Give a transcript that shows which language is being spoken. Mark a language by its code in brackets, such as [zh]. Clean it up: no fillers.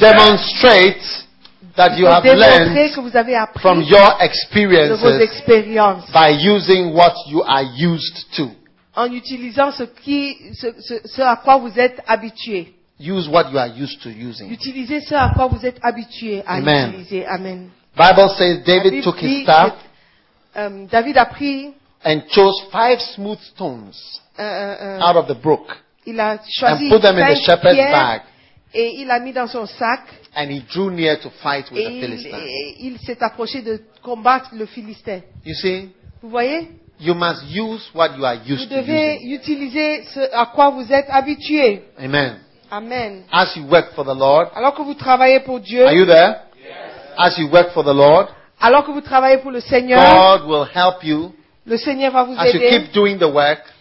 [en] Demonstrate that you have learned from your experiences by using what you are used to. [fr] En utilisant ce à quoi vous êtes habitué. [en] Use what you are used to using. [fr] Utilisez ce à quoi vous êtes habitué à utiliser. [en] Amen. Bible says David took his staff. [fr] David a pris [en] and chose 5 smooth stones out of the brook. [fr] Il a choisi [en] and put them in the shepherd's bag. [fr] Et il a mis dans son sac. [en] And he drew near to fight with the Philistine. [fr] Il s'est approché de combattre le Philistin. [en] You see? [fr] Vous voyez? [en] You must use what you are used to. [fr] Vous devez utiliser ce à quoi vous êtes habitué. [en] Amen. [fr] Amen. [en] As you work for the Lord. [fr] Alors que vous travaillez pour Dieu. [en] Are you there? Yes. As you work for the Lord. [fr] Alors que vous travaillez pour le Seigneur. [en] God will help you. [fr] Le Seigneur va vous aider. [en] As you keep doing the work.